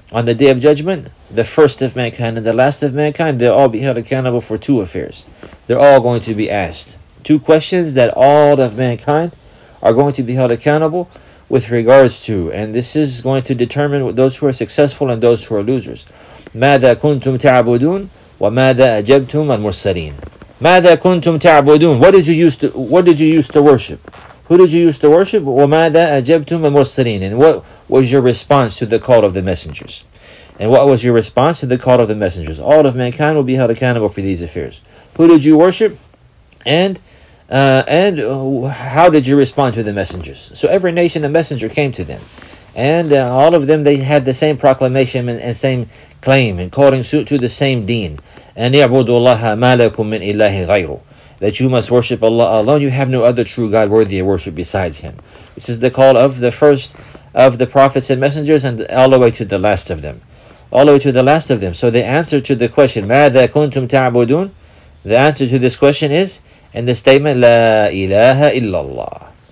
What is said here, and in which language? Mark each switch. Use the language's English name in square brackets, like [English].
[English] On the day of judgment, the first of mankind and the last of mankind, they'll all be held accountable for two affairs. They're all going to be asked two questions that all of mankind are going to be held accountable with regards to. And this is going to determine those who are successful and those who are losers. [Arabic] مَاذَا كُنْتُمْ تَعْبُدُونَ وَمَاذَا أَجَبْتُمْ الْمُرْسَلِينَ مَاذَا كُنْتُمْ تَعْبُدُونَ [English] What did you use to worship? Who did you use to worship? [Arabic] وَمَاذَا أَجَبْتُمْ الْمُرْسَلِينَ [English] And what was your response to the call of the messengers? And what was your response to the call of the messengers? All of mankind will be held accountable for these affairs. Who did you worship? And how did you respond to the messengers? So every nation, a messenger came to them. And all of them, they had the same proclamation and same claim, and calling suit to the same deen. [Arabic] أَنْ يَعْبُدُوا اللَّهَ مَا لَكُمْ مِنْ إِلَّهِ غَيْرُ [English] That you must worship Allah alone. You have no other true God worthy of worship besides Him. This is the call of the first of the prophets and messengers, and all the way to the last of them. So the answer to the question, [Arabic] مَاذَا كُنْتُمْ تَعْبُدُونَ [English] The answer to this question is, in the statement, [Arabic] لا إله إلا الله.